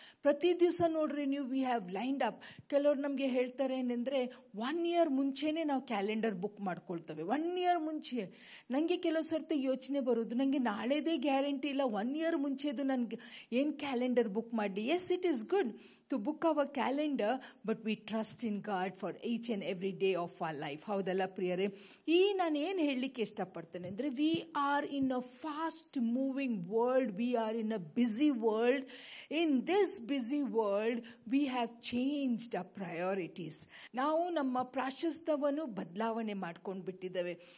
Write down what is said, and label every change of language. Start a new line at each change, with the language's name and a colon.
Kannada: ಪ್ರತಿ ದಿವಸ ನೋಡ್ರಿ ನೀವು,
English: We have lined up.
Kannada: ಕೆಲವರು ನಮಗೆ ಹೇಳ್ತಾರೆ ಏನೆಂದರೆ, 1 ಇಯರ್ ಮುಂಚೆನೇ ನಾವು ಕ್ಯಾಲೆಂಡರ್ ಬುಕ್ ಮಾಡ್ಕೊಳ್ತೇವೆ. 1 ಇಯರ್ ಮುಂಚೆ ನನಗೆ ಕೆಲವು ಸರ್ತಿ ಯೋಚನೆ ಬರೋದು, ನನಗೆ ನಾಳೆದೇ ಗ್ಯಾರಂಟಿ ಇಲ್ಲ, 1 ಇಯರ್ ಮುಂಚೆದು ನನಗೆ ಏನು ಕ್ಯಾಲೆಂಡರ್ ಬುಕ್ ಮಾಡಲಿ.
English: Yes, it is good. to book our calendar, but we trust in God for each and every day of our life.
Kannada: ಹೌದಲ್ಲ ಪ್ರಿಯರೇ, ಈ ನಾನು ಏನು ಹೇಳಲಿಕ್ಕೆ ಇಷ್ಟಪಡ್ತೇನೆ ಅಂದರೆ,
English: We are in a fast moving world, we are in a busy world. In this busy world we have changed a priorities.
Kannada: ನಾವು ನಮ್ಮ ಪ್ರಾಶಸ್ತ್ಯವನ್ನು ಬದಲಾವಣೆ ಮಾಡ್ಕೊಂಡು ಬಿಟ್ಟಿದ್ದೇವೆ.